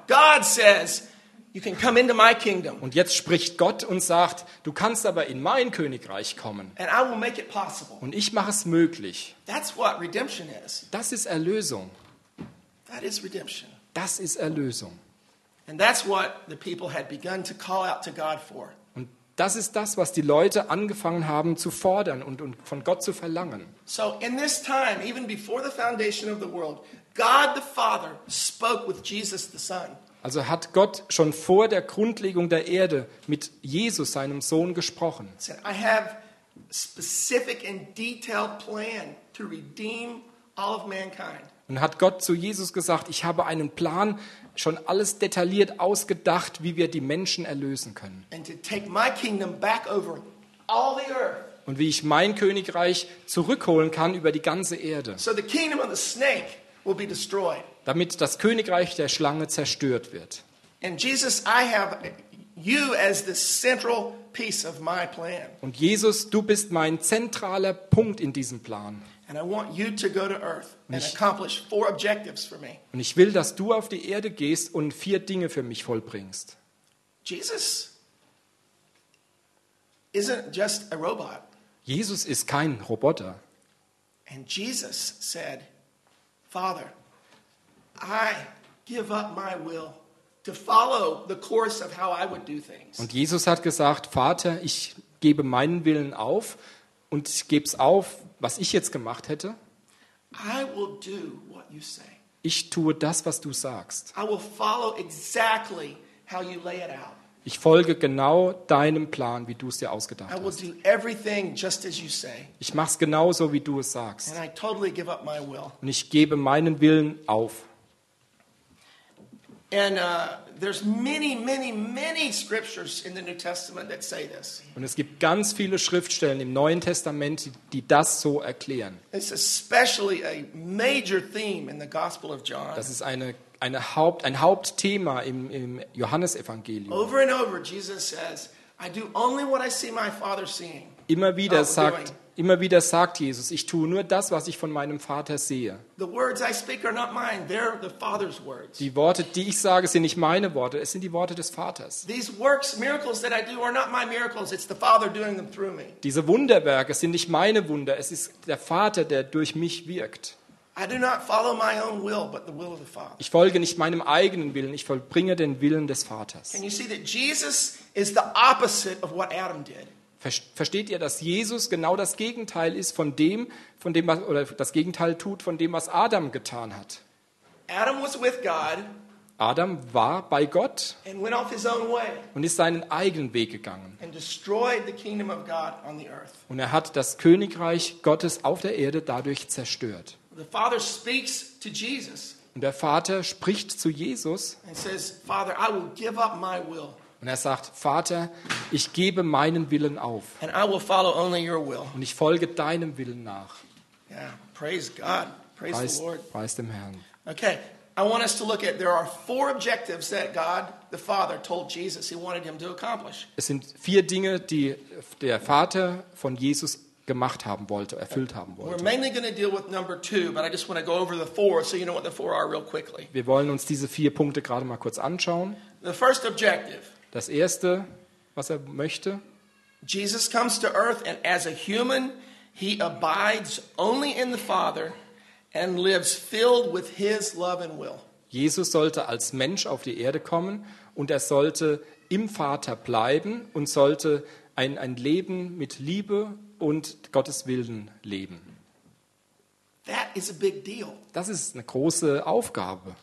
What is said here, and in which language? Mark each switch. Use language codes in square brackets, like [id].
[en] God says you can come into my kingdom. [de] Und jetzt spricht Gott und sagt, du kannst aber in mein Königreich kommen. [en] And I will make it possible. [de] Und ich mache es möglich. [en] That's what redemption is. [de] Das ist Erlösung. [en] That is redemption. [de] Das ist Erlösung. [en] And that's what the people had begun to call out to God for. [de] Und das ist das, was die Leute angefangen haben zu fordern und von Gott zu verlangen. [en] So in this time, even before the foundation of the world, God the Father spoke with Jesus the Son. [de] Also hat Gott schon vor der Grundlegung der Erde mit Jesus seinem Sohn gesprochen. [en] Said, I have specific and detailed plan to redeem all of mankind. [de] Und hat Gott zu Jesus gesagt, ich habe einen Plan, schon alles detailliert ausgedacht, wie wir die Menschen erlösen können. [en] And to take my kingdom back over all the earth. [de] Und wie ich mein Königreich zurückholen kann über die ganze Erde. [en] So the kingdom of the snake will be destroyed. [de] Damit das Königreich der Schlange zerstört wird. [en] And Jesus, I have you as the central piece of my plan. [de] Und Jesus, du bist mein zentraler Punkt in diesem Plan. [en] And I want you to go to earth and accomplish four objectives for me. [de] Und ich will, dass du auf die Erde gehst und vier Dinge für mich vollbringst. [en] Jesus isn't just a robot. [de] Jesus ist kein Roboter. [en] And Jesus said, Father, I give up my will to follow the course of how I would do things. [de] Und Jesus hat gesagt, Vater, ich gebe meinen Willen auf und ich gebe es auf, was ich jetzt gemacht hätte. [en] I will do what you say. [de] Ich tue das, was du sagst. [en] I will follow exactly how you lay it out. [de] Ich folge genau deinem Plan, wie du es dir ausgedacht [en] I will [de] hast. [en] Do everything just as you say. [de] Ich mach's genauso, wie du es sagst. [en] And I totally give up my will. [de] Und ich gebe meinen Willen auf. [en] And there's many, many, many scriptures in the New Testament that say this. [de] Und es gibt ganz viele Schriftstellen im Neuen Testament, die das so erklären. [en] It's especially a major theme in the Gospel of John. [de] Das ist ein Hauptthema im Johannesevangelium. [en] Over and over, Jesus says, "I do only what I see my Father seeing." [de] Immer wieder sagt Jesus, ich tue nur das, was ich von meinem Vater sehe. [en] The words I speak are not mine, they're the Father's words. [de] Die Worte, die ich sage, sind nicht meine Worte, es sind die Worte des Vaters. [en] These works, miracles that I do are not my miracles, it's the Father doing them through me. [de] Diese Wunderwerke sind nicht meine Wunder, es ist der Vater, der durch mich wirkt. [en] I do not follow my own will, but the will of the Father. [de] Ich folge nicht meinem eigenen Willen, ich vollbringe den Willen des Vaters. [en] Can you see that Jesus is the opposite of what Adam did? [de] Versteht ihr, dass Jesus genau das Gegenteil ist von dem, was Adam getan hat? [en] Adam was with God. [de] Adam war bei Gott. [en] And went off his own way. [de] Und ist seinen eigenen Weg gegangen. [en] And destroyed the kingdom of God on the earth. [de] Und er hat das Königreich Gottes auf der Erde dadurch zerstört. [en] The Father speaks to Jesus. [de] Und der Vater spricht zu Jesus. [en] And says, Father, I will give up my will. [de] Und er sagt, Vater, ich gebe meinen Willen auf. [en] And I will follow only your will. [de] Und ich folge deinem Willen nach. [en] Yeah, praise God. Praise the Lord. [de] Preis dem Herrn. [en] Okay, I want us to look at, there are four objectives that God, the Father, told Jesus he wanted him to accomplish. [de] Es sind vier Dinge, die der Vater von Jesus gemacht haben wollte, erfüllt haben wollte. [en] We're mainly going to deal with number two, but I just want to go over the four, so you know what the four are real quickly. [de] Wir wollen uns diese vier Punkte gerade mal kurz anschauen. [en] The first objective. [de] Das erste, was er möchte. [en] Jesus comes to earth and as a human he abides only in the Father and lives filled with his love and will. [de] Jesus sollte als Mensch auf die Erde kommen und er sollte im Vater bleiben und sollte ein Leben mit Liebe und Gottes Willen leben. [en] That is a big deal. [de] Das ist eine große Aufgabe.